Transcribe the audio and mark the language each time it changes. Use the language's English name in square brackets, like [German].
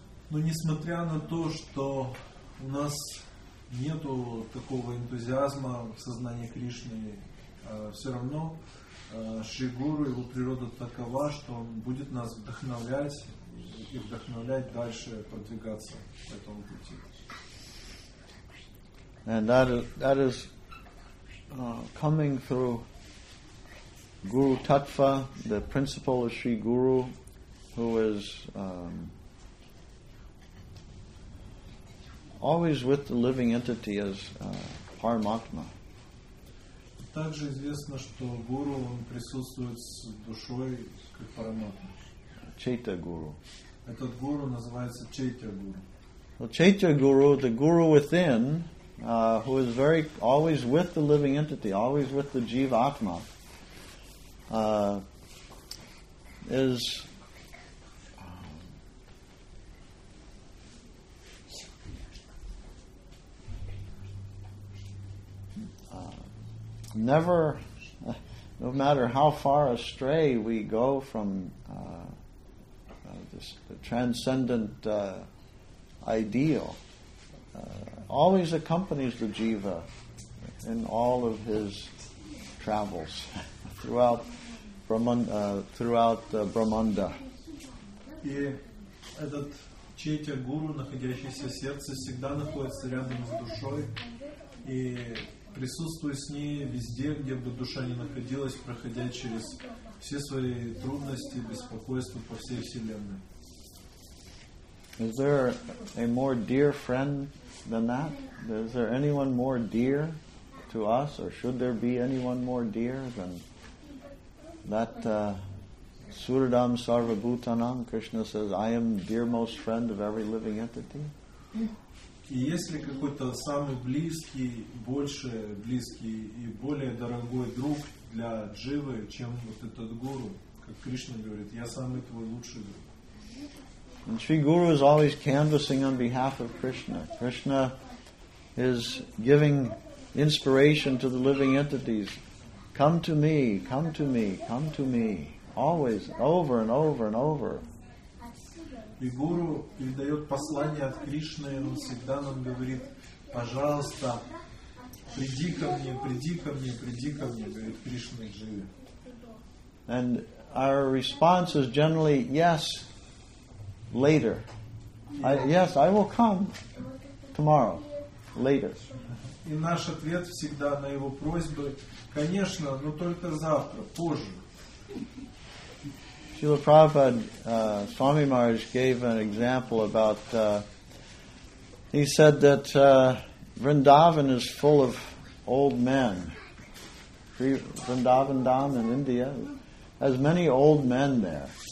[Russian] Но несмотря на то, что у нас нету такого энтузиазма в сознании Кришны, все равно Шри Гуру, его природа такова, что он будет нас вдохновлять и вдохновлять дальше продвигаться по этому пути. [English] And that is coming through Guru Tattva, the principle of Sri Guru, who is always with the living entity as Paramatma. [Russian] Также известно, что Гуру, он присутствует с душой как Параматма. Чейта Гуру. Этот Гуру называется Чейта Гуру. [English] Чейта Гуру, the Guru within, who is very always with the living entity, always with the Jivatma, is never, no matter how far astray we go from the transcendent ideal, always accompanies the jiva in all of his travels throughout Brahmanda. [Russian] И этот Чейтя Гуру, находящийся в сердце, всегда находится рядом с душой и присутствует с ней везде, где бы душа ни находилась, проходя через все свои трудности, беспокойства по всей вселенной. [English] Is there a more dear friend than that? Is there anyone more dear to us, or should there be anyone more dear than that [Sanskrit] Suradam Sarvabhutanam, [English] Krishna says, I am dear most friend of every living entity. [Russian] И если какой-то самый близкий, больше близкий и более дорогой друг для дживы, чем вот этот гуру, как Кришна говорит, я самый твой лучший друг. [English] And Sri Guru is always canvassing on behalf of Krishna. Krishna is giving inspiration to the living entities. Come to me, come to me, come to me. Always, over and over and over. [Russian] И гуру передает послание от Кришны, и он всегда нам говорит, пожалуйста, приди ко мне, приди ко мне, приди ко мне, говорит Кришна Дживе. [English] And our response is generally, yes, later. Yes, I will come tomorrow, later. [Russian] И наш ответ всегда на его просьбы, конечно, но только завтра, позже. [English] Srila Prabhupada, Swami Maharaj gave an example about, he said that Vrindavan is full of old men. Vrindavan Dham in India has many old men there.